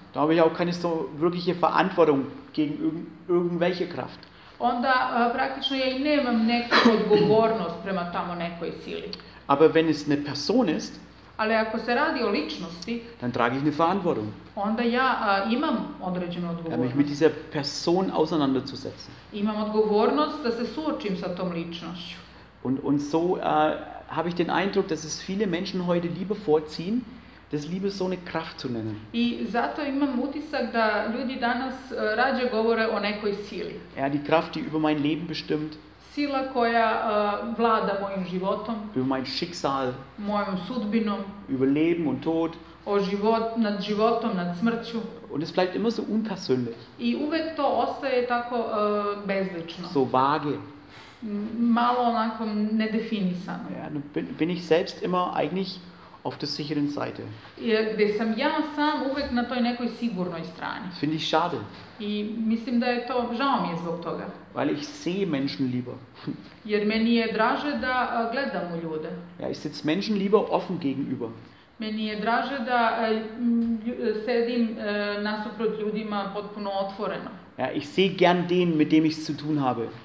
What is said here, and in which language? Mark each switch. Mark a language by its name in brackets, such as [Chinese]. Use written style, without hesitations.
[German] Da habe ich auch keine so wirkliche Verantwortung gegen irgendwelche Kraft. [Serbian] Onda praktično ja i nemam neku odgovornost prema tamo nekoj sili. [German] Aber wenn es eine Person ist, [Serbian] ali ako se radi o ličnosti, [German] dann trage ich eine Verantwortung. [Serbian] Onda ja imam određenu odgovornost. [German] Ja, mich mit dieser Person auseinanderzusetzen. [Serbian] Imam odgovornost da se suočim sa tom ličnošću. [German] Und so habe ich den Eindruck, dass es viele Menschen heute lieber vorziehen, das Liebe so eine Kraft zu nennen. [Serbian] I zato imam utisak da ljudi danas rađe govore o nekoj sili. [German] Ja, die Kraft, die über mein Leben bestimmt. [Serbian] Sila koja vlada mojim životom. [German] Über mein Schicksal. [Serbian] Mojom sudbinom. [German] Über Leben und Tod. [Serbian] O život, nad životom, nad smrću. [German] Und es bleibt immer so unpersönlich. [Serbian] I uvek to ostaje tako bezlično. [German] So vage. [Serbian] Malo onako nedefinisano. [German] Ja, bin ich selbst immer eigentlich auf der sicheren Seite. [Serbian] Ja, gde sam ja sam uvek na toj nekoj sigurnoj strani. [German] Finde ich schade. [Serbian] I mislim da je to, žao mi je zbog toga. [German] Weil ich sehe Menschen lieber. [Serbian] Jer meni je draže da gledam u ljude. [German] Ja, ich sitze Menschen lieber offen gegenüber. [Serbian] Meni je draže da sedim nasuprot ljudima potpuno otvoreno. [German] Ja, ich sehe gern den, mit dem ich zu tun habe.